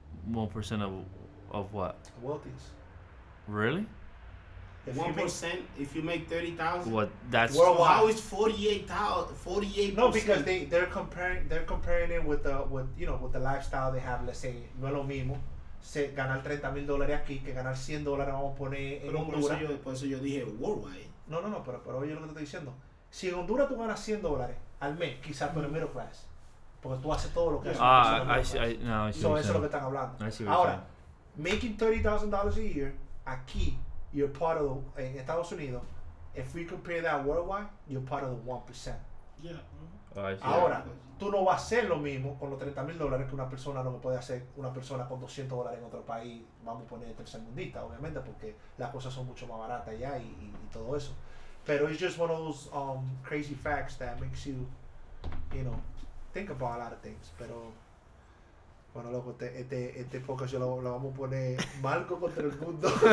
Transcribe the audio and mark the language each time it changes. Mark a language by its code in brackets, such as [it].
[en] 1% of what? Wealthies. Really? 1% if you make 30,000. What? That's worldwide. How is 48,000? No, because they're comparing it with the lifestyle they have. Let's say [es] no es lo mismo ganar $30,000 aquí que ganar $100. Vamos a poner en Honduras. Por eso yo dije [en] worldwide. [es] No, pero oye lo que te estoy diciendo. Si en Honduras tú ganas $100 al mes, quizás por el middle class, porque tú haces todo lo que haces. Eso es lo que están hablando. Ahora, [en] making $30,000 a year [es] aquí. [en] You're part of the, [es] in Estados Unidos, [en] if we compare that worldwide, you're part of the 1%. Yeah. [es] Ahora, tú no vas a hacer lo mismo con los $30,000 que una persona no puede hacer una persona con $200 en otro país, vamos a poner tercermundista, obviamente, porque las cosas son mucho más baratas allá y todo eso. Pero [en] it's just one of those crazy facts that makes you think about a lot of things. [es] Pero, bueno, loco, este podcast yo lo vamos a poner Marco contra el mundo.